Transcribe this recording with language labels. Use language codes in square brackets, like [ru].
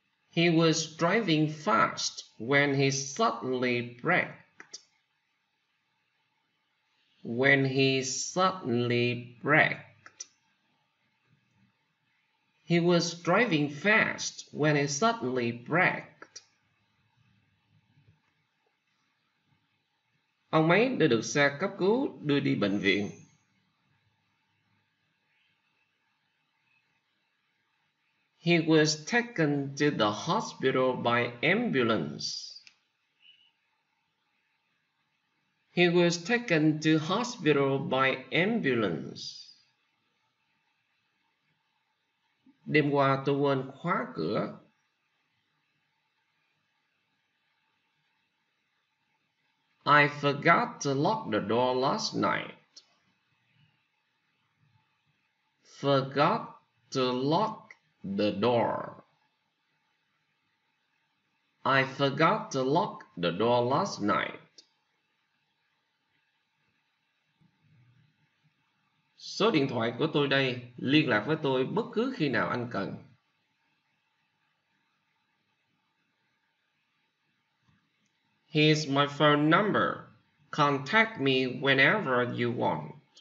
[en] He was driving fast when he suddenly braked. when he suddenly braked. He was driving fast when he suddenly braked. [vi] Ông ấy đã được xe cấp cứu đưa đi bệnh viện. [en] He was taken to the hospital by ambulance. He was taken to hospital by ambulance. [vi] Đêm qua tôi quên khóa cửa. [en] I forgot to lock the door last night. Forgot to lock the door. I forgot to lock the door last night. [vi] Số điện thoại của tôi đây, liên lạc với tôi bất cứ khi nào anh cần. [en] Here's my phone number. Contact me whenever you want.